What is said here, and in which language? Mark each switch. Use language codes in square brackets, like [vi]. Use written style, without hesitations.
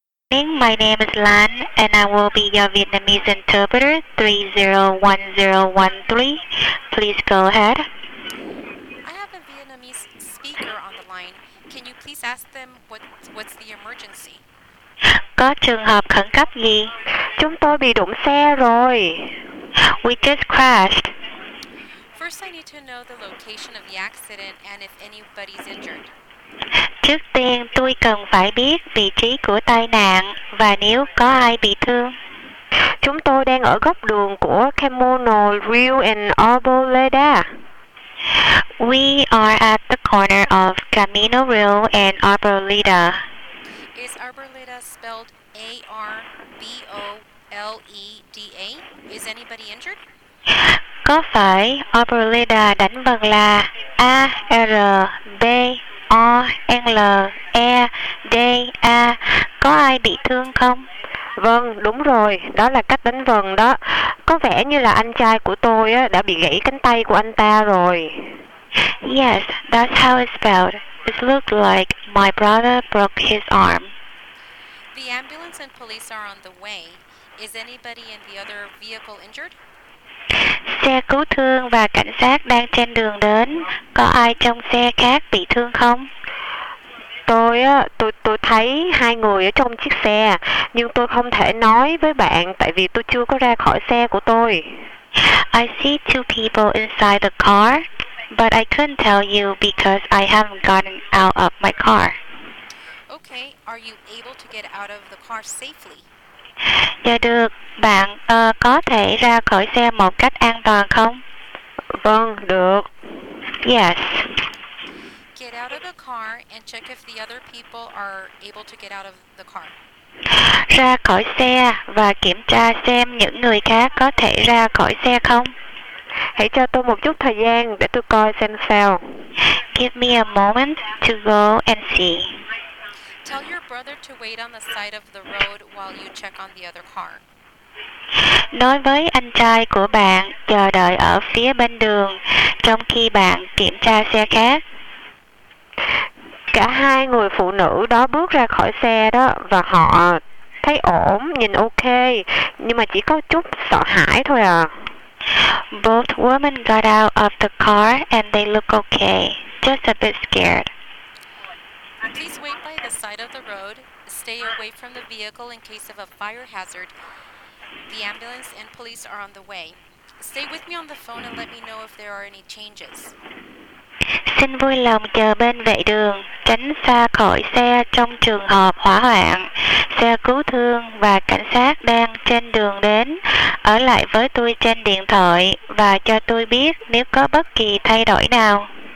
[en] My name is Lan, and I will be your Vietnamese interpreter, 301013. Please go ahead. I have a Vietnamese speaker on the line. Can you please ask them what's the emergency? [vi] Có trường hợp khẩn cấp gì? Chúng tôi bị đụng xe rồi. [en] We just crashed. First, I need to know the location of the accident and if anybody's injured. [vi] Trước tiên, tôi cần phải biết vị trí của tai nạn và nếu có ai bị thương. Chúng tôi đang ở góc đường của Camonal Rio and Arboleda. [en] We are at the corner of Camino Rio and Arboleda. Is Arboleda spelled A-R-B-O-L-E-D-A? Is anybody injured? [vi] Có phải Arboleda đánh bằng là A-R-B-O-L-E-D-A? Có ai bị thương không? Vâng, đúng rồi, đó là cách đánh vần đó. Có vẻ như là anh trai của tôi đã bị gãy cánh tay của anh ta rồi. [en] Yes, that's how it's spelled. It looked like my brother broke his arm. The ambulance and police are on the way. Is anybody in the other vehicle injured? [vi] Xe cứu thương và cảnh sát đang trên đường đến. Có ai trong xe khác bị thương không? Tôi thấy hai người ở trong chiếc xe, nhưng tôi không thể nói với bạn tại vì tôi chưa có ra khỏi xe của tôi. [en] I see two people inside the car, but I couldn't tell you because I haven't gotten out of my car. Okay, are you able to get out of the car safely? [vi] Dạ được, bạn có thể ra khỏi xe một cách an toàn không? Vâng, được. [en] Yes. Get out of the car and check if the other people are able to get out of the car. [vi] Ra khỏi xe và kiểm tra xem những người khác có thể ra khỏi xe không? Hãy cho tôi một chút thời gian để tôi coi xem sao. [en] Give me a moment to go and see. Tell your brother to wait on the side of the road while you check on the other car. [vi] Nói với anh trai của bạn chờ đợi ở phía bên đường trong khi bạn kiểm tra xe khác. Cả hai người phụ nữ đó bước ra khỏi xe đó và họ thấy ổn, nhìn ok, nhưng mà chỉ có chút sợ hãi thôi à. [en] Both women got out of the car and they look okay, just a bit scared. Please wait by the side of the road. Stay away from the vehicle in case of a fire hazard. The ambulance and police are on the way. Stay with me on the phone and let me know if there are any changes. [vi] Xin vui lòng chờ bên vệ đường, tránh xa khỏi xe trong trường hợp hỏa hoạn. Xe cứu thương và cảnh sát đang trên đường đến. Ở lại với tôi trên điện thoại và cho tôi biết nếu có bất kỳ thay đổi nào.